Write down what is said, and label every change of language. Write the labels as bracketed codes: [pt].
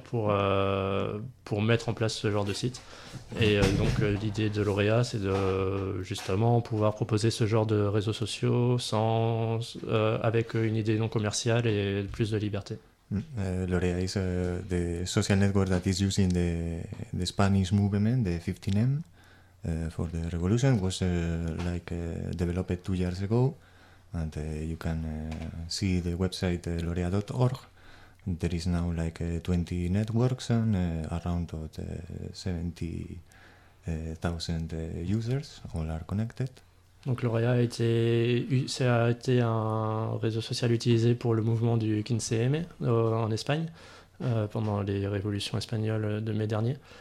[fr] pour mettre en place ce genre de site. Et donc l'idée de Lauréat, c'est de justement pouvoir proposer ce genre de réseaux sociaux avec une idée non commerciale et plus de liberté. [en] Lauréat is the social network that is using the Spanish movement, the 15M. For the revolution was developed 2 years ago, and you can see the website lauréat.org. There is now like 20 networks and around 70,000 users, all are connected. [fr] Donc Lauréat a été un réseau social utilisé pour le mouvement du 15M en Espagne pendant les révolutions espagnoles de mai dernier.